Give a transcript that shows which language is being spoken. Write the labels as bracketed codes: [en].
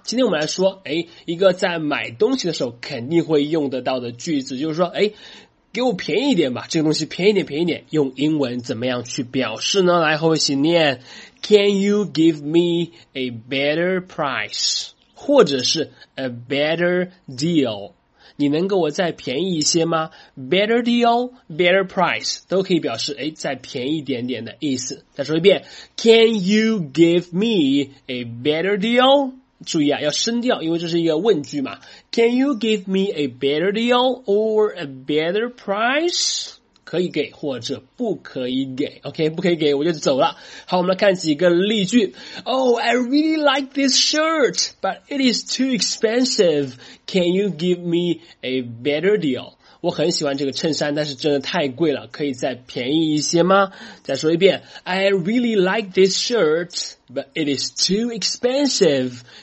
[zh] 今天我们来说，一个在买东西的时候肯定会用得到的句子，就是说，给我便宜一点吧，这个东西便宜点便宜点，用英文怎么样去表示呢？来和我一起念 [en] ,Can you give me a better price? [zh] 或者是 [en] a better deal? [zh] 你能给我再便宜一些吗 ? [en] Better deal, better price, [zh] 都可以表示再便宜一点点的意思。再说一遍 [en] ,Can you give me a better deal? [zh] 注意啊要升调因为这是一个问句嘛。 [en] Can you give me a better deal or a better price? [zh] 可以给或者不可以给 ,OK, 不可以给我就走了。好我们来看几个例句。 [en] Oh, I really like this shirt, but it is too expensive. Can you give me a better deal? [zh] 我很喜欢这个衬衫但是真的太贵了可以再便宜一些吗再说一遍 [en] I really like this shirt, but it is too expensive.